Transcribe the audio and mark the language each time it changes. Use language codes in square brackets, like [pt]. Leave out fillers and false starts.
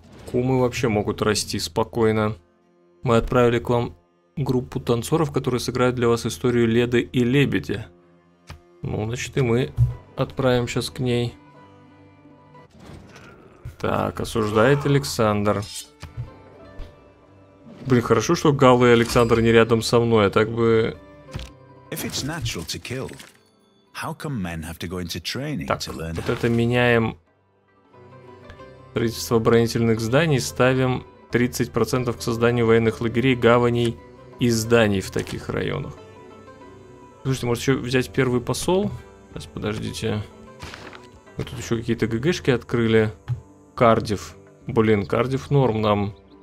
[ru] Кумы вообще могут расти спокойно. Мы отправили к вам группу танцоров, которые сыграют для вас историю Леды и Лебеди. Ну, значит, и мы отправим сейчас к ней. Так, осуждает Александр. Блин, хорошо, что Галла и Александр не рядом со мной, а так бы... [en] If it's natural to kill, how come men have to go into training [ru] так, [en] to learn? [ru] Вот это меняем. Строительство оборонительных зданий ставим 30% к созданию военных лагерей, гаваней и зданий в таких районах. Слушайте, может еще взять первый посол? Сейчас, подождите. Мы тут еще какие-то ГГшки открыли. Кардифф. Блин, Кардифф норм нам.